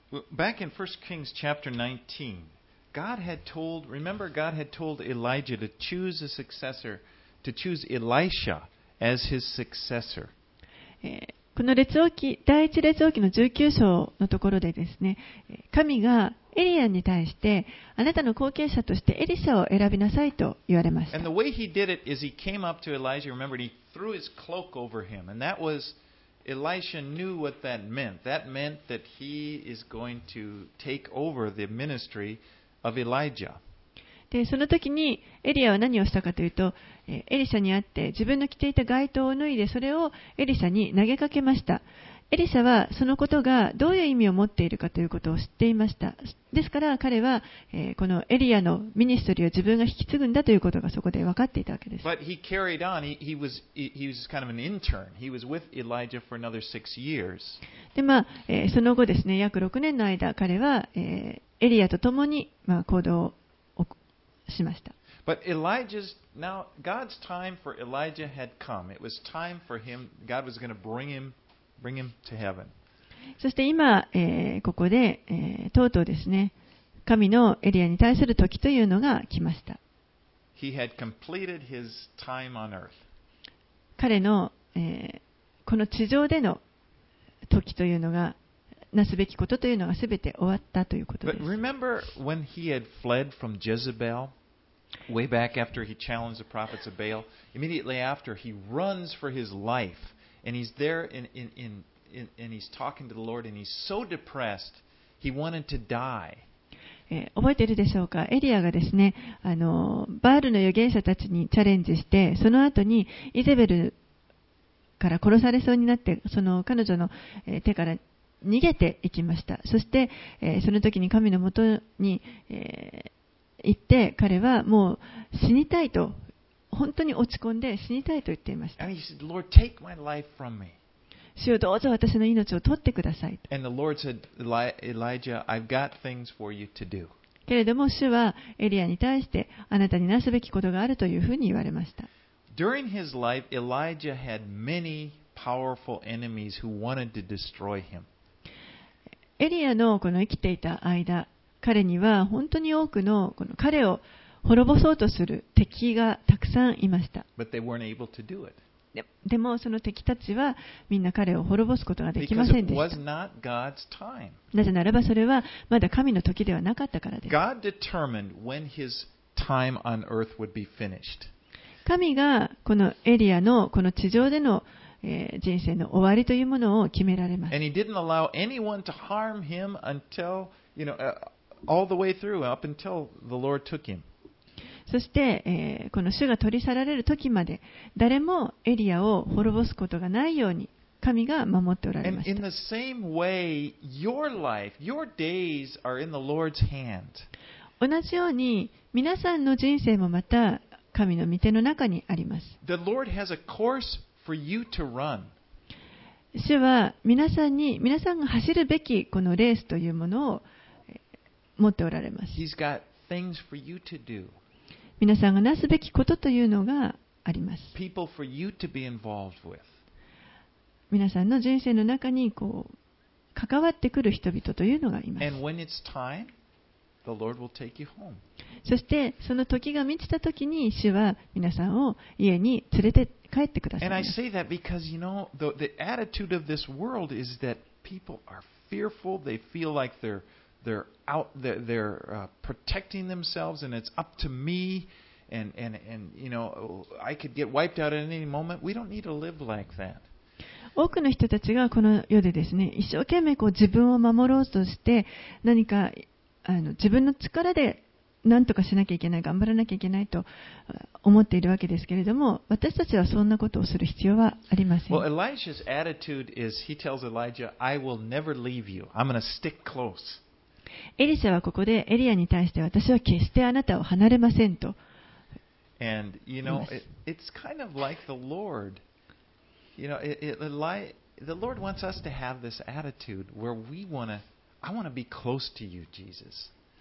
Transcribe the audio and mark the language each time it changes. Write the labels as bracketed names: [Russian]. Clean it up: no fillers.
[English] Back in 1 Kings chapter 19, God had told, remember, God had told Elijah to choose a successor, to choose Elisha as his successor. [Japanese] この列王記、第一列王記の19章のところでですね、神がエリアに対して、あなたの後継者としてエリシャを選びなさいと言われました。 [English] And the way he did it is he came up to Elijah, remember, and he threw his cloak over him, and that was... Elisha knew what that meant. That meant that he is going to take over the ministry of Elijah. [Japanese] で、その時にエリアは何をしたかというと、エリシャに会って自分の着ていた外套を脱いで、それをエリシャに投げかけました。エリシャはそのことがどういう意味を持っているかということを知っていました。ですから彼は、このエリアのミニストリーを自分が引き継ぐんだということがそこで分かっていたわけです。 [English] But he carried on. He was kind of an intern. He was with Elijah for another 6 years. [Japanese] で、まあ、その後ですね、約6年の間、彼は、エリアと共に、まあ、行動をしました。 [English] But Elijah's now God's time for Elijah had come. It was time for him. God was going to bring him. Bring him to heaven. [Japanese] そして今、ここで、とうとうですね、神のエリアに対する時というのが来ました。 [English] He had completed his time on earth. [Japanese] 彼の、この地上での時というのが、なすべきことというのが全て終わったということです。 [English] But remember when he had fled from Jezebel, way back after he challenged the prophets of Baal, immediately after he runs for his life. And he's there and he's talking to the Lord and he's so depressed, he wanted to die. [Japanese] 覚えてるでしょうか？エリアがですね、バールの預言者たちにチャレンジして、その後にイゼベルから殺されそうになって、その彼女の手から逃げていきました。そして、その時に神のもとに、行って、彼はもう死にたいと、本当に落ち込んで死にたいと言っていました。 [English] And he said, Lord, take my life from me. [Japanese] 主よ、どうぞ私の命を取ってくださいと。 [English] And the Lord said, Elijah, I've got things for you to do. [Japanese] けれども主はエリアに対してあなたになすべきことがあるというふうに言われました。 [English] During his life, Elijah had many powerful enemies who wanted to destroy him. [Japanese] エリアのこの生きていた間、彼には本当に多くのこの彼を滅ぼそうとする敵がたくさんいました。 [English] But they weren't able to do it. [Japanese] でもその敵たちはみんな彼を滅ぼすことができませんでした。 [English] Because it was not God's time. [Japanese] なぜならばそれはまだ神の時ではなかったからです。 [English] God determined when his time on earth would be finished. [Japanese] 神がこのエリアのこの地上での人生の終わりというものを決められます。 [English] And he didn't allow anyone to harm him until, you know, all the way through, up until the Lord took him. [Japanese] そして、この主が取り去られる時まで誰もエリアを滅ぼすことがないように神が守っておられました。 [English] In the same way, your life, your days are in the Lord's hand. [Japanese] 同じように皆さんの人生もまた神の御手の中にあります。 [English] The Lord has a course for you to run. [Japanese] 主は皆さんに皆さんが走るべきこのレースというものを持っておられます。 [English] He's got things for you to do. [Japanese] 皆さんがなすべきことというのがあります。 [English] People for you to be involved with. [Japanese] 皆さんの人生の中にこう関わってくる人々というのがいます。 [English] And when it's time, the Lord will take you home. [Japanese] そしてその時が満ちた時に主は皆さんを家に連れて帰ってください。 [English] And I say that because, you know, the attitude of this world is that people are fearful. They feel like they're out there, they're protecting themselves, and it's up to me. And you know, I could get wiped out at any moment. We don't need to live like that. [Japanese] 多くの人たちがこの世でですね、一生懸命こう自分を守ろうとして、何か自分の力で何とかしなきゃいけない、頑張らなきゃいけないと思っているわけですけれども、私たちはそんなことをする必要はありません。 [English] Well, Elijah's attitude is he tells Elijah, I will never leave you. I'm going to stick close. [Japanese] エリシャはここでエリアに対して私は決してあなたを離れませんと言います。 [English] And, you know, it's kind of like the Lord. You know, the Lord wants us to have this attitude where I want to be close to you, Jesus.